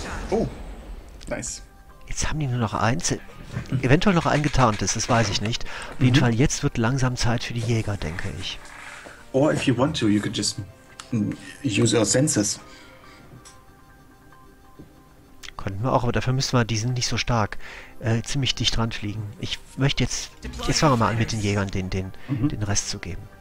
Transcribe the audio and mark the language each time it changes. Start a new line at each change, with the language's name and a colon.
English: Oh, nice.
German: Jetzt haben die nur noch eins. Eventuell noch ein getarntes, das weiß ich nicht. Auf jeden Fall, jetzt wird langsam Zeit für die Jäger, denke ich.
English: Or if you want to, you could just use your senses.
German: Könnten wir auch, aber dafür müssen wir, die sind nicht so stark, ziemlich dicht dran fliegen. Ich möchte jetzt fangen wir mal an mit den Jägern, den Rest zu geben.